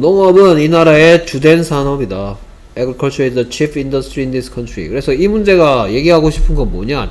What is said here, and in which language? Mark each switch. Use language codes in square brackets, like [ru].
[ko] 농업은 이 나라의 주된 산업이다. [en] Agriculture is the chief industry in this country. [ko] 그래서 이 문제가 얘기하고 싶은 건 뭐냐?